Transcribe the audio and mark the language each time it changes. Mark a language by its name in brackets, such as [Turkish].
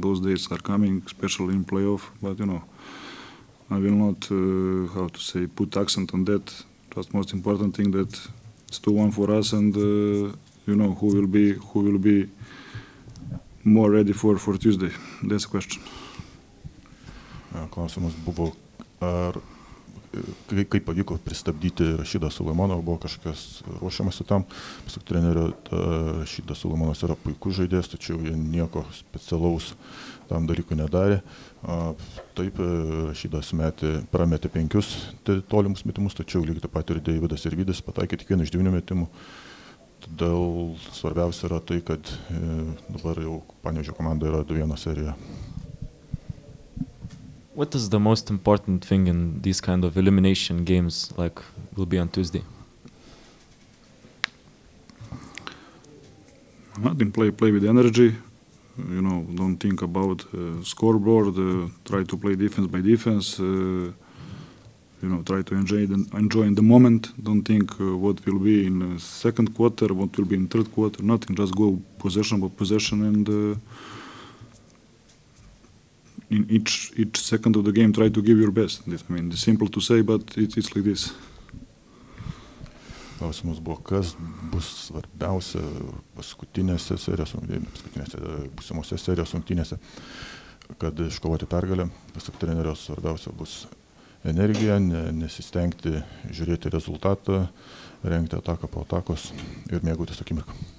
[English] Those days are coming, especially in playoff, but, you know, I will not, put accent on that. Just most important thing that it's 2-1 for us and, you know, who will be more ready for Tuesday. That's the question. [Lithuanian] Klausimas buvo, ar kaip pavyko pristabdyti Rašydą Sulaimoną, buvo kažkas ruošiamasi tam. Pasak trenerio, Rašydas Sulaimonas yra puikus žaidėjas, tačiau jie nieko specialaus tam dalykui nedarė. Taip, Rašydas prametė 5 tolimus metimus, tačiau lygiai taip pat ir Deividas ir Vydas pataikė tik vieną iš 9 metimų. Todėl svarbiausia yra tai, kad dabar jau Panevėžio komanda yra 2-1 serijoje. [English] What is the most important thing in these kind of elimination games like will be on Tuesday? Nothing, play with energy, you know, don't think about scoreboard, try to play defense by defense, you know, try to enjoy in the moment, don't think what will be in second quarter, what will be in third quarter, nothing, just go possession by possession and in each second of the game try to give your best. I mean, it's simple to say, but it's like this. [Lithuanian] Klausimas buvo, kas bus svarbiausia būsimose serijos rungtynėse, kad iškovoti pergalę. Pasak trenerio, svarbiausia bus energija, nesistengti žiūrėti rezultatą, rengti ataką po atakos ir mėgautis akimirką.